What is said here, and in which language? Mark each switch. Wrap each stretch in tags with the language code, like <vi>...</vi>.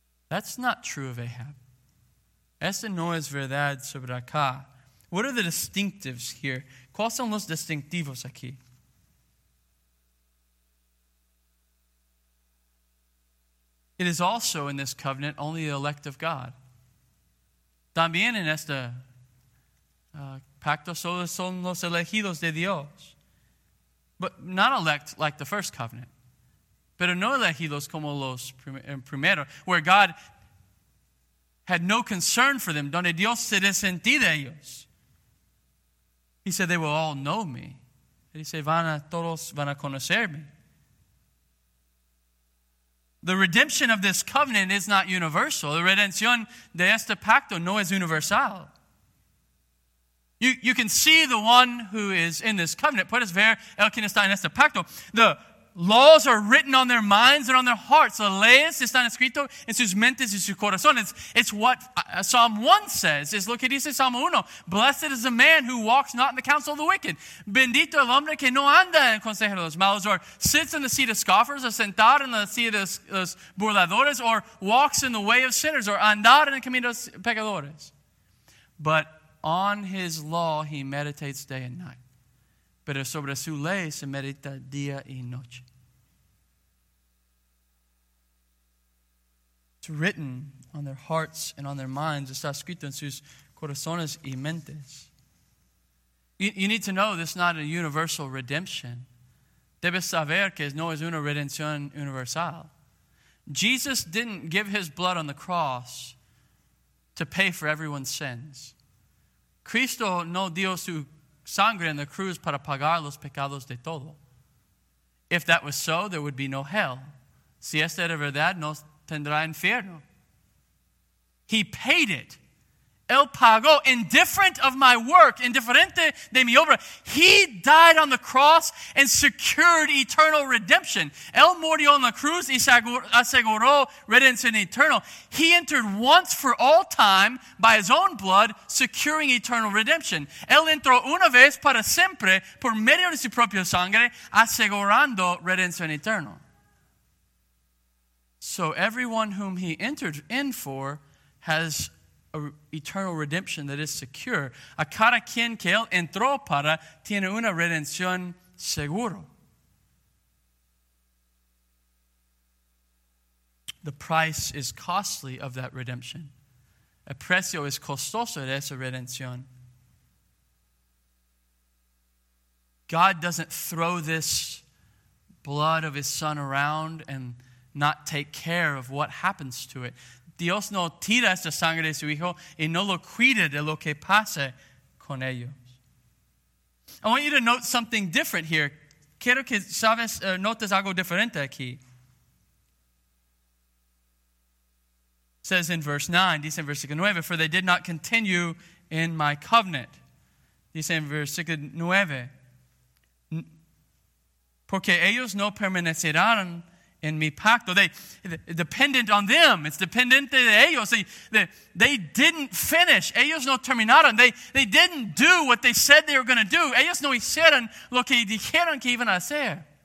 <en>That's not true of Ahab.</en> <es>Esta no es verdad sobre acá.</es> <en>What are the distinctives here?</en> <es>¿Cuáles son los distintivos aquí?</es> <en>It is also in this covenant only the elect of God.</en> <es>También en este pacto solo son los elegidos de Dios.</es> <en>But not elect like the first covenant.</en> <es>Pero no elegidos como los primero,</es> <en>where God had no concern for them,</en> <es>donde Dios se desentí de ellos.</es> <en>He said, they will all know me. He said,</en> <es>todos van a conocerme.</es> <en>The redemption of this covenant is not universal.</en> <es>The redención de este pacto no es universal.</es> <en>You can see the one who is in this covenant.</en> <es>Puedes ver el quien está en este pacto.</es> <en>The laws are written on their minds and on their hearts.</en> <es>Las leyes están escritas en sus mentes y sus corazones.</es> <en>It's what Psalm 1 says.</en> <es>Es lo que dice Psalm 1.</es> <en>Blessed is the man who walks not in the counsel of the wicked.</en> <es>Bendito el hombre que no anda en consejo de los malos.</es> <en>Or sits in the seat of scoffers.</en> <es>Or sentar en la silla de los burladores.</es> <en>Or walks in the way of sinners.</en> <es>Or andar en el camino de los pecadores.</es> <en>But on his law he meditates day and night.</en> <es>Pero sobre su ley se medita día y noche.</es> <en>It's written on their hearts and on their minds.</en> <es>Está escrito en sus corazones y mentes.</es> <en>You need to know this is not a universal redemption.</en> <es>Debes saber que no es una redención universal.</es> <en>Jesus didn't give his blood on the cross to pay for everyone's sins.</en> <es>Cristo no dio su sangre en la cruz para pagar los pecados de todo.</es> <en>If that was so, there would be no hell.</en> <es>Si esta era verdad, no tendrá infierno.</es> <en>He paid it.</en> <es>Él pagó,</es> <en>indifferent of my work,</en> <es>indiferente de mi obra.</es> <en>He died on the cross and secured eternal redemption.</en> <es>Él murió en la cruz y aseguró redención eternal.</es> <en>He entered once for all time by his own blood, securing eternal redemption.</en> <es>Él entró una vez para siempre por medio de su propia sangre, asegurando redención eternal.</es> <en>So everyone whom he entered in for has eternal redemption that is secure.</en> <es>A cada quien que él entró para tiene una redención seguro.</es> <en>The price is costly of that redemption.</en> <es>El precio es costoso de esa redención.</es> <en>God doesn't throw this blood of his son around and not take care of what happens to it.</en> <es>Dios no tira esta sangre de su hijo y no lo cuida de lo que pase con ellos.</es> <en>I want you to note something different here.</en> <es>Quiero que sabes, notes algo diferente aquí.</es> <en>It says in verse 9,</en> <es>dice en versículo 9,</es> <en>for they did not continue in my covenant.</en> <es>Dice en versículo 9, porque ellos no permanecerán in mi pacto.</es> <en>They dependent on them.</en> <es>It's dependente de ellos.</es> <en>They didn't finish.</en> <es>Ellos no terminaron.</es> <en>They didn't do what they said they were going to do.</en> <es>Ellos no hicieron lo que dijeron que iban a hacer.</es>